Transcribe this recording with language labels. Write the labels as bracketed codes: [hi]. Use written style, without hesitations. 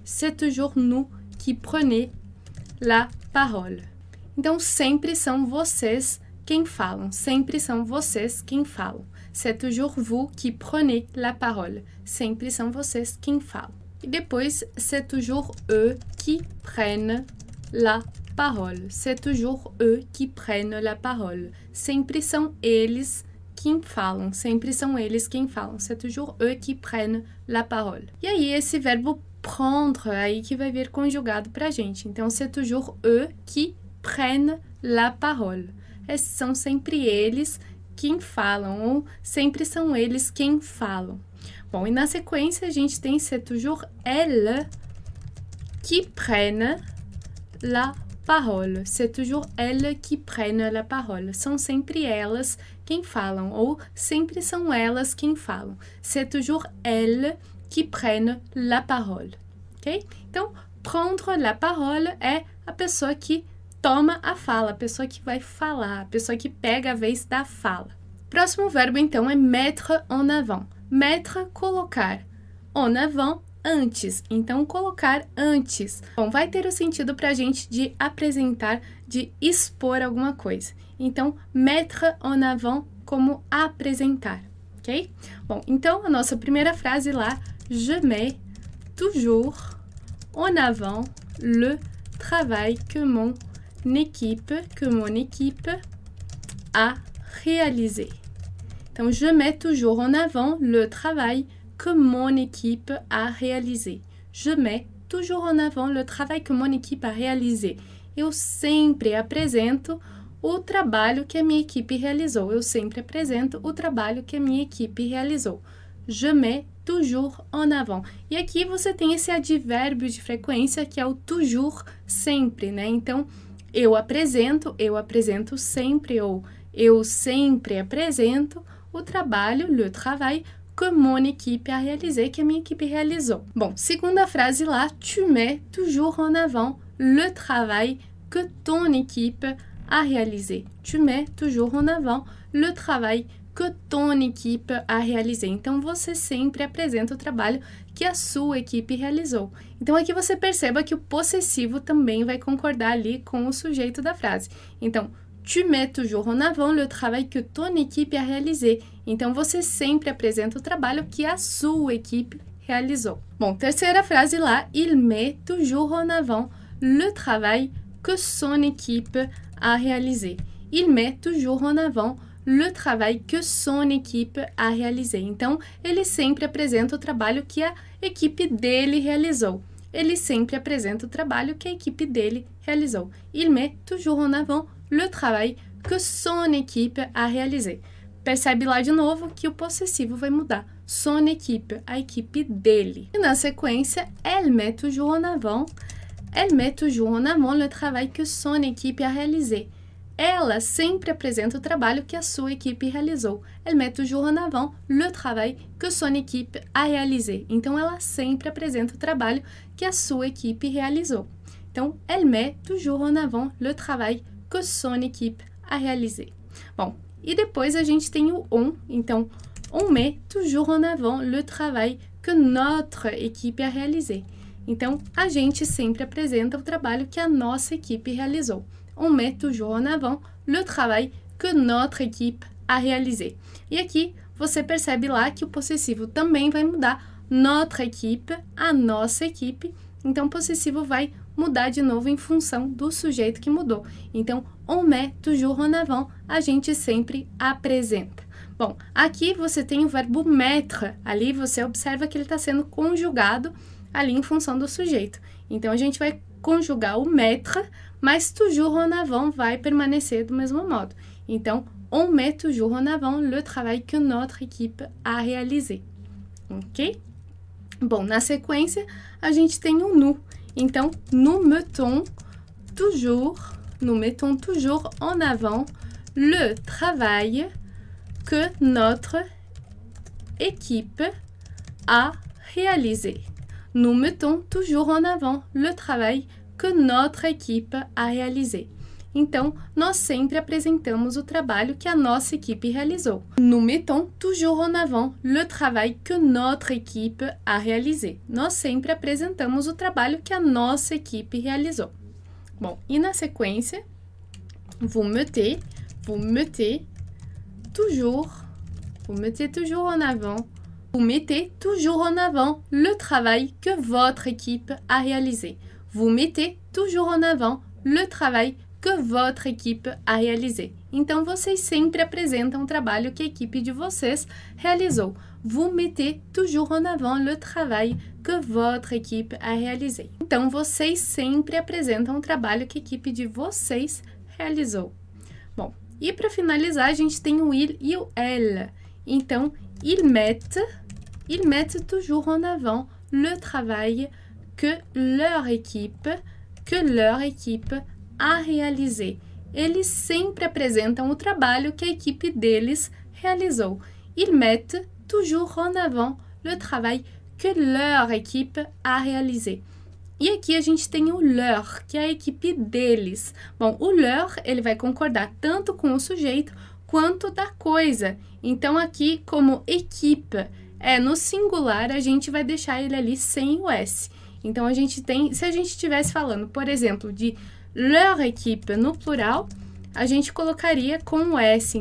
[fr] C'est toujours nous qui prenez la parole. [pt] Então, sempre são vocês quem falam, sempre são vocês quem falam. [fr] C'est toujours vous qui prenez la parole. [pt] Sempre são vocês quem falam. E depois, [fr] c'est toujours eux qui prennent la parole. C'est toujours eux qui prennent la parole. [pt] Sempre são eles quem falam. Sempre são eles quem falam. [fr] C'est toujours eux qui prennent la parole. [pt] E aí, esse verbo prendre aí que vai vir conjugado para a gente. [fr] Então, c'est toujours eux qui prennent la parole. [pt] São sempre eles quem falam, ou sempre são eles quem falam. Bom, e na sequência a gente tem [fr] c'est toujours elle qui prenne la parole. C'est toujours elle qui prenne la parole. [pt] São sempre elas quem falam, ou sempre são elas quem falam. [fr] C'est toujours elle qui prenne la parole. [pt] Ok? Então, [fr] prendre la parole [pt] é a pessoa que toma a fala, a pessoa que vai falar, a pessoa que pega a vez da fala. Próximo verbo, então, é [fr] mettre en avant. [pt] Mettre, colocar. [fr] En avant, [pt] antes. Então, colocar antes. Bom, vai ter o sentido para a gente de apresentar, de expor alguma coisa. Então, [fr] mettre en avant [pt] como apresentar, ok? Bom, então, a nossa primeira frase lá, [fr] je mets toujours en avant le travail que mon que mon équipe a réalisé. Então, je mets toujours en avant le travail que mon équipe a réalisé. Je mets toujours en avant le travail que mon équipe a réalisé. [pt] Eu sempre apresento o trabalho que a minha equipe realizou. Eu sempre apresento o trabalho que a minha equipe realizou. [fr] Je mets toujours en avant. [pt] E aqui você tem esse advérbio de frequência que é o toujours, sempre, né? Então, eu apresento sempre, ou eu sempre apresento o trabalho, [fr] le travail, que mon équipe a réalisé, [pt] que a minha equipe realizou. Bom, segunda frase lá, [fr] tu mets toujours en avant le travail que ton équipe a réalisé. Tu mets toujours en avant le travail que ton équipe a réalisé. [pt] Então, você sempre apresenta o trabalho que a sua equipe realizou. Então, aqui você perceba que o possessivo também vai concordar ali com o sujeito da frase. Então, [fr] Tu mets toujours en avant le travail que ton équipe a réalisé. [pt] Então, você sempre apresenta o trabalho que a sua equipe realizou. Bom, terceira frase lá. [fr] Il met toujours en avant le travail que son équipe a réalisé. Il met toujours en avant le travail que son équipe a réalisé. [pt] Então, ele sempre apresenta o trabalho que a equipe dele realizou. Ele sempre apresenta o trabalho que a equipe dele realizou. [fr] Il met toujours en avant le travail que son équipe a réalisé. [pt] Percebe lá de novo que o possessivo vai mudar. [fr] Son équipe, [pt] a equipe dele. E na sequência, [fr] elle met toujours en avant. Elle met toujours en avant le travail que son équipe a réalisé. [pt] Ela sempre apresenta o trabalho que a sua equipe realizou. [fr] Elle met toujours en avant le travail que son équipe a réalisé. [pt] Então, ela sempre apresenta o trabalho que a sua equipe realizou. [fr] Então, elle met toujours en avant le travail que son équipe a réalisé. [pt] Bom, e depois a gente tem o on. [fr] Então, on met toujours en avant le travail que notre équipe a réalisé. [pt] Então, a gente sempre apresenta o trabalho que a nossa equipe realizou. [fr] On met toujours en avant le travail que notre équipe a réalisé. [pt] E aqui você percebe lá que o possessivo também vai mudar [fr] notre équipe, [pt] a nossa equipe. Então, o possessivo vai mudar de novo em função do sujeito que mudou. Então, [fr] on met toujours en avant, [pt] a gente sempre apresenta. Bom, aqui você tem o verbo mettre. Ali você observa que ele está sendo conjugado ali em função do sujeito. Então, a gente vai conjugar o mettre, mas [fr] toujours en avant [pt] vai permanecer do mesmo modo. [fr] Então, on met toujours en avant le travail que notre équipe a réalisé. [pt] Ok? Bom, na sequência, a gente tem o nous. [fr] Então, nous mettons toujours en avant le travail que notre équipe a réalisé. Nous mettons toujours en avant le travail que notre équipe a réalisé. [pt] Então, nós sempre apresentamos o trabalho que a nossa equipe realizou. [fr] Nous mettons toujours en avant le travail que notre équipe a réalisé. [pt] Nós sempre apresentamos o trabalho que a nossa equipe realizou. Bom, e na sequência, [fr] vous mettez toujours en avant le travail que votre équipe a réalisé. Vous mettez toujours en avant le travail que votre équipe a réalisé. [pt] Então, vocês sempre apresentam o trabalho que a equipe de vocês realizou. [fr] Vous mettez toujours en avant le travail que votre équipe a réalisé. [pt] Então, vocês sempre apresentam o trabalho que a equipe de vocês realizou. Bom, e para finalizar, a gente tem o il e o elle. [fr] Então, ils mettent toujours en avant le travail que leur équipe a réalisé. [pt] Eles sempre apresentam o trabalho que a equipe deles realizou. [fr] Ils mettent toujours en avant le travail que leur équipe a réalisé. [pt] E aqui a gente tem o leur, que é a equipe deles. Bom, o leur, ele vai concordar tanto com o sujeito quanto da coisa. Então, aqui, como equipe é no singular, a gente vai deixar ele ali sem o S. Então, a gente tem, se a gente estivesse falando, por exemplo, de [fr] leur équipe [pt] no plural, a gente colocaria com o S.